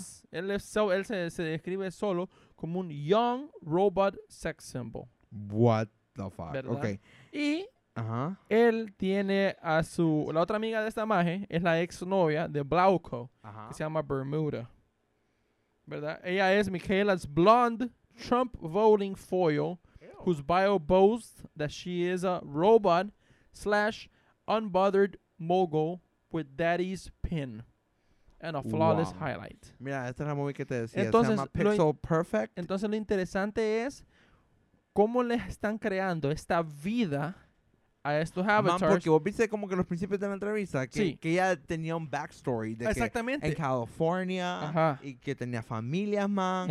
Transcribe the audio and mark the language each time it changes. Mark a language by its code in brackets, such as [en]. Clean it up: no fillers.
[es] Él se describe solo como un [en] young robot sex symbol. What the fuck? [es] ¿Verdad? [en] Ok. [es] Y... Uh-huh. Él tiene a su... La otra amiga de esta maje es la exnovia de Blauko, que se llama Bermuda. ¿Verdad? Ella es [en] Michaela's blonde Trump voting foil, whose bio boasts that she is a robot / unbothered mogul with daddy's pin and a flawless highlight. [es] Mira, esta es la movie que te decía. Entonces, se llama Pixel Perfect. Entonces, lo interesante es cómo les están creando esta vida... A estos avatars. Man, porque vos viste como que los principios de la entrevista que ella tenía un backstory de exactamente. Que en California y que tenía familia, man.